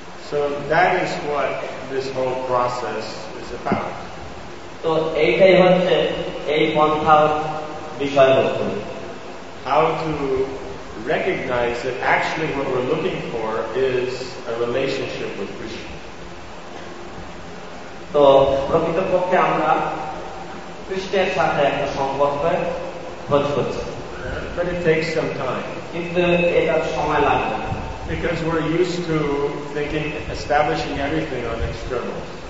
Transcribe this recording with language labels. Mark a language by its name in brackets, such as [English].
[English] So that is what this whole process is about. [Bangla] তো এইটাই হচ্ছে এই পন্থার বিষয়বস্তু। [English] How to recognize that actually what we're looking for is a relationship with Krishna. [Bangla] তো প্রকৃতপক্ষে আমরা কৃষ্ণের সাথে একটা সম্পর্কের খোঁজ করছি। [English] But it takes some time. [Bangla] কিন্তু এটা সময় লাগবে। [English] Because we're used to thinking, establishing everything on externals.